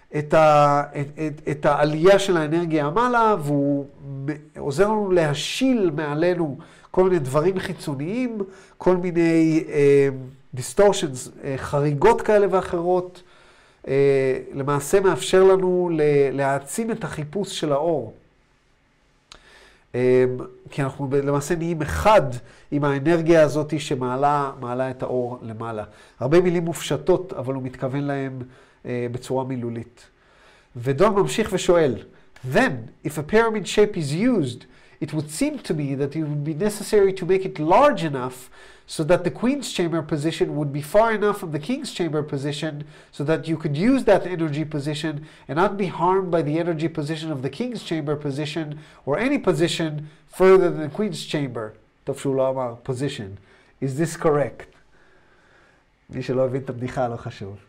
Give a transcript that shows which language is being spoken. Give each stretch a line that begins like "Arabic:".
Hebrew: את העלייה של האנרגיה המעלה, והוא עוזר לנו להשיל מעלינו כל מיני דברים חיצוניים, כל מיני distortions, חריגות כאלה ואחרות, למעשה מאפשר לנו להעצים את החיפוש של האור. כי אנחנו למעשה נהיים אחד עם האנרגיה הזאת שמעלה את האור למעלה. הרבה מילים מופשטות, אבל הוא מתכוון להם בצורה מילולית. ודון ממשיך ושואל,
English: Then, if a pyramid shape is used, it would seem to me that it would be necessary to make it large enough so that the queen's chamber position would be far enough from the king's chamber position so that you could use that energy position and not be harmed by the energy position of the king's chamber position or any position further than the queen's chamber.
Hebrew: טוב שהוא לא אמר position.
English: Is this correct?
Hebrew: מי שלא הבין את הבדיחה לא חשוב.